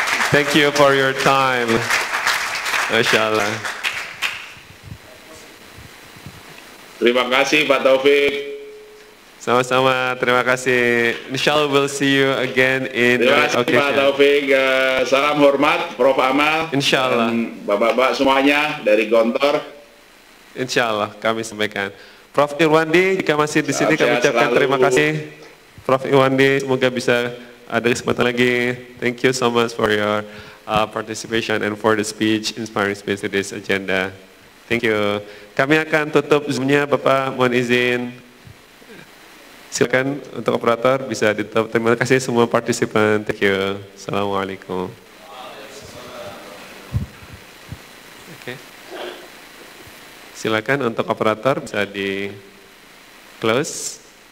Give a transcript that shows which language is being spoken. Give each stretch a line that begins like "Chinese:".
English: Thank you for your time. Masyaallah.
Indonesian: Terima kasih, Pak Taufik. Sama-sama, terima kasih.
English: Inshallah, we'll see you again in the next occasion.
Indonesian: Terima kasih, Pak Taufik. Salam hormat, Prof. Amal. Insyaallah. Bapak-bapak semuanya dari Gontor. Insyaallah, kami sampaikan. Prof. Irwandi, jika masih di sini, kami ucapkan terima kasih. Prof. Irwandi, semoga bisa ada kesempatan lagi.
English: Thank you so much for your participation and for the speech, inspiring speech to this agenda. Thank you.
Indonesian: Kami akan tutup Zoom-nya, Bapak, mohon izin. Silakan untuk operator bisa ditutup. Terima kasih semua partisipan.
English: Thank you.
Indonesian: Assalamualaikum. Okay. Silakan untuk operator bisa di close.